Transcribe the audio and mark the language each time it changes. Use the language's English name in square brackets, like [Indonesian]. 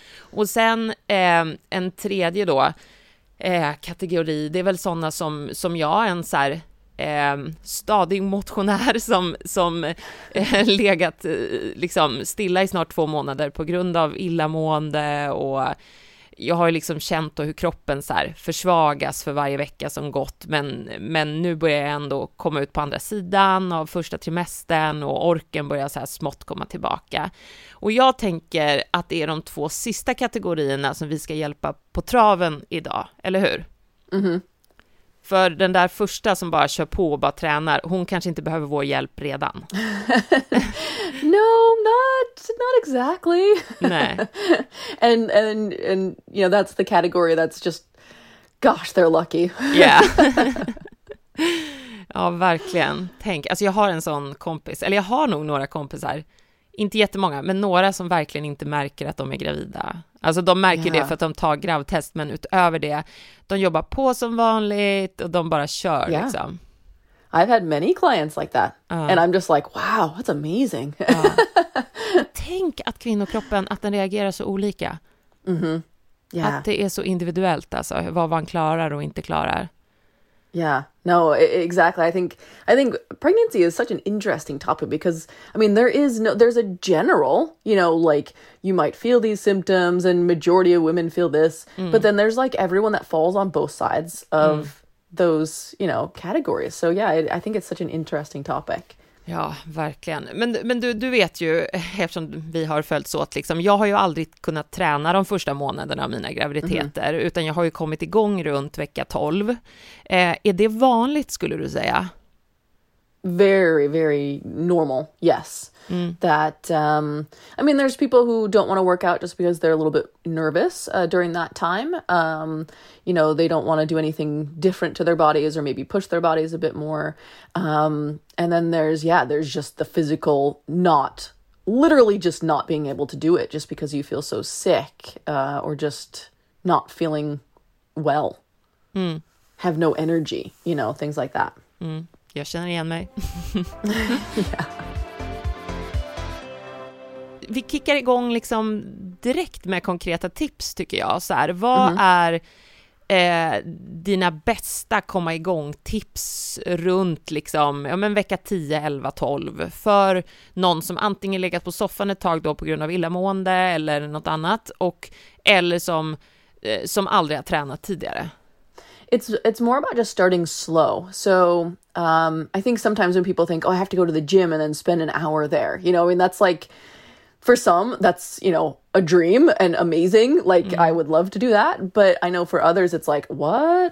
[Swedish] Och sen en tredje då kategori, det är väl sådana som jag, en så här stadig motionär som legat liksom stilla i snart 2 månader på grund av illamående, och jag har liksom känt hur kroppen så här försvagas för varje vecka som gått, men nu börjar jag ändå komma ut på andra sidan av första trimestern och orken börjar så här smått komma tillbaka. Och jag tänker att det är de 2 sista kategorierna som vi ska hjälpa på traven idag, eller hur? För den där första som bara kör på och bara tränar, hon kanske inte behöver vår hjälp redan. [English] No, not exactly. [Swedish] Nej. [English] And you know, that's the category that's just, gosh, they're lucky. Yeah. [Swedish] Ja, verkligen. Tänk, alltså jag har en sån kompis, eller jag har nog några kompisar, inte jättemånga, men några som verkligen inte märker att de är gravida. Alltså de märker det för att de tar gravtest, men utöver det, de jobbar på som vanligt och de bara kör liksom. [English] I've had many clients like that. And I'm just like, wow, that's amazing. [Swedish] Tänk att kvinnokroppen, att den reagerar så olika. [English] Yeah. [Swedish] Att det är så individuellt, alltså, vad man klarar och inte klarar. [English] Yeah, no, exactly. I think pregnancy is such an interesting topic because, I mean, there's a general, you know, like you might feel these symptoms and majority of women feel this, but then there's like everyone that falls on both sides of those, you know, categories. So yeah, I think it's such an interesting topic. [Swedish] Ja, verkligen. Men du vet ju, eftersom vi har följt så att liksom, jag har ju aldrig kunnat träna de första månaderna av mina graviditeter, utan jag har ju kommit igång runt vecka 12. Är det vanligt, skulle du säga? [English] Very, very normal, yes. That, I mean, there's people who don't want to work out just because they're a little bit nervous during that time. You know, they don't want to do anything different to their bodies or maybe push their bodies a bit more. And then there's just the physical not, literally just not being able to do it just because you feel so sick or just not feeling well. Have no energy, you know, things like that. [Swedish] Jag känner igen mig. Vi kickar igång liksom direkt med konkreta tips, tycker jag. Så här, vad är dina bästa komma igång tips runt liksom, ja, men vecka 10, 11, 12 för någon som antingen legat på soffan ett tag då på grund av illamående eller något annat, eller som aldrig har tränat tidigare? [English] it's more about just starting slow. So I think sometimes when people think, oh, I have to go to the gym and then spend an hour there, you know, I mean, that's like, for some, that's, you know, a dream and amazing. Like, mm-hmm. I would love to do that. But I know for others, it's like, what?